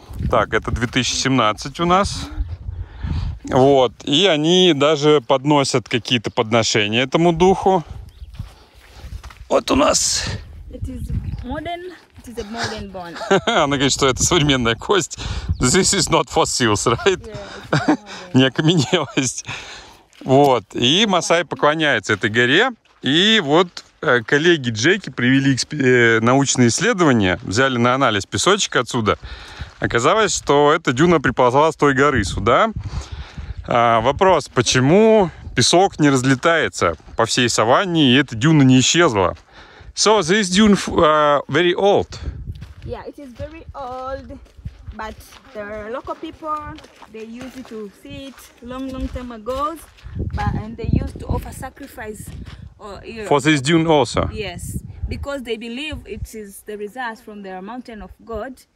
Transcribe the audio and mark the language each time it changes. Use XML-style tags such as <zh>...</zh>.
<ru>Так, это 2017 у нас. Вот. И они даже подносят какие-то подношения этому духу. Вот у нас.</ru> <en>It is modern. It is a modern bone.</en> <ru>Она говорит, что это современная кость.</ru> <en>This is not fossils, right? Yeah,</en> <ru>не окаменелость. Вот. И Масай поклоняется этой горе. И вот коллеги Джеки привели научные исследования, взяли на анализ песочек отсюда. Оказалось, что эта дюна приползла с той горы сюда. А, вопрос, почему песок не разлетается по всей саванне, и эта дюна не исчезла?</ru> <en>So this dune very old. Yeah, it is very old, but the local people, they used it to sit long time ago, and they used to offer sacrifice For this dune also. Yes, because they believe it is the result from the mountain of God.</en>